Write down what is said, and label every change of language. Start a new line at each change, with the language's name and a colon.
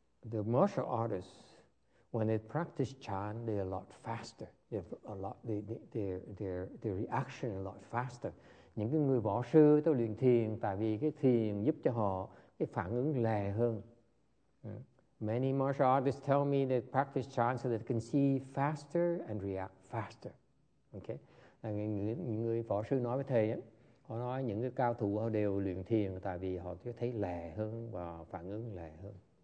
English: The martial artists, when they practice chan, they're a lot faster. Their reaction is a lot faster.
Vietnamese: Những cái người võ sư tôi luyện thiền, tại vì cái thiền giúp cho họ cái phản ứng lè hơn.
English: Many martial artists tell me that practice chan so that they can see faster and react faster. Okay.
Vietnamese: Những người võ sư nói với thầy, họ nói những cái cao thủ họ đều luyện thiền tại vì họ thấy lè hơn và phản ứng lè hơn.